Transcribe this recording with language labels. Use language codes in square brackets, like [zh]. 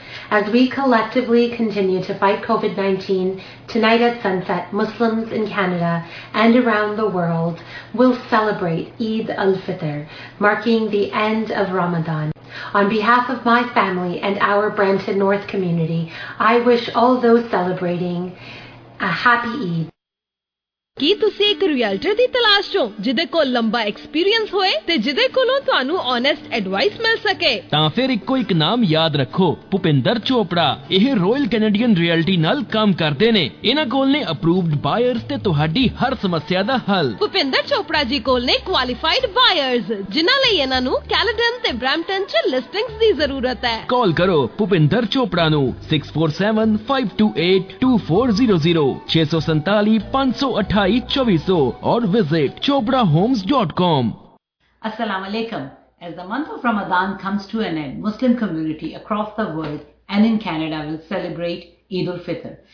[en] As we collectively continue to fight COVID-19, tonight at sunset, Muslims in Canada and around the world will celebrate Eid al-Fitr, marking the end of Ramadan. On behalf of my family and our Brampton North community, I wish all those celebrating a happy Eid. [pa] ਕੀ ਤੁਸੀਂ ਇੱਕ ਰਿਅਲਟਰ ਦੀ ਤਲਾਸ਼ ਹੋ ਜਿਹਦੇ ਕੋਲ ਲੰਬਾ experience ਹੋਏ ਤੇ ਜਿਹਦੇ ਕੋਲੋਂ ਤੁਹਾਨੂੰ ਓਨੈਸਟ ਐਡਵਾਈਸ ਮਿਲ ਸਕੇ? ਤਾਂ ਫਿਰ ਇੱਕੋ ਇੱਕ ਨਾਮ ਯਾਦ ਰੱਖੋ, ਭੁਪਿੰਦਰ ਚੋਪੜਾ. ਇਹ ਰਾਇਲ ਕੈਨੇਡੀਅਨ ਰਿਅਲਟੀ ਨਾਲ ਕੰਮ ਕਰਦੇ ਨੇ. ਇਹਨਾਂ ਕੋਲ ਨੇ ਅਪਰੂਵਡ ਬਾਇਰਸ ਤੇ ਤੁਹਾਡੀ ਹਰ ਸਮੱਸਿਆ ਦਾ ਹੱਲ. ਭੁਪਿੰਦਰ ਚੋਪੜਾ ਜੀ ਕੋਲ ਨੇ ਕੁਆਲੀਫਾਈਡ ਬਾਇਰਸ ਜਿਨ੍ਹਾਂ ਲਈ ਇਹਨਾਂ ਨੂੰ ਕੈਲੇਡਨ ਤੇ ਬ੍ਰੈਂਪਟਨ ਚ ਲਿਸਟਿੰਗਸ ਦੀ ਜ਼ਰੂਰਤ ਹੈ. ਕਾਲ ਕਰੋ ਭੁਪਿੰਦਰ ਚੋਪੜਾ ਨੂੰ 6475282400 647-5282400 [en] or visit chopdahomes.com. [ar] Assalamu alaikum. [en] As the month of Ramadan comes to an end, Muslim community across the world and in Canada will celebrate Eid al-Fitr.